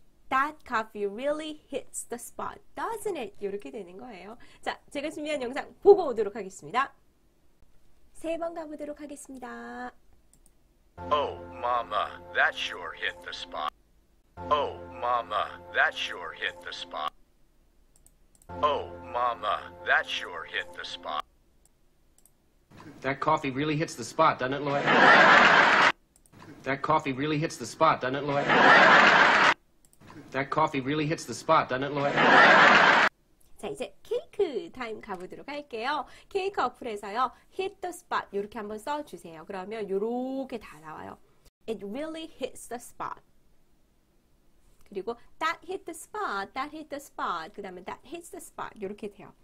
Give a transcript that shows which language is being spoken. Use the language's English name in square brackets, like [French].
[English] That coffee really hits the spot, doesn't it? [Korean] 이렇게 되는 거예요. 자, 제가 준비한 영상 보고 오도록 하겠습니다. 세번 가보도록 하겠습니다. [English] Oh, mama, that sure hit the spot. Oh, mama, that sure hit the spot. Oh, mama, that sure hit the spot. That coffee really hits the spot, doesn't it, Lloyd? That coffee really hits the spot, doesn't it, Lloyd? That coffee really hits the spot, doesn't it, Lloyd? [Korean] 자, 이제 케이크 타임 가보도록 할게요. 케이크 어플에서요, [English] hit the spot [Korean] 이렇게 한번 써주세요. 그러면 이렇게 다 나와요. [English] It really hits the spot. [Korean] 그리고 [English] that hit the spot, that hit the spot, [Korean] 그 다음에 [English] that hits the spot [Korean] 이렇게 돼요.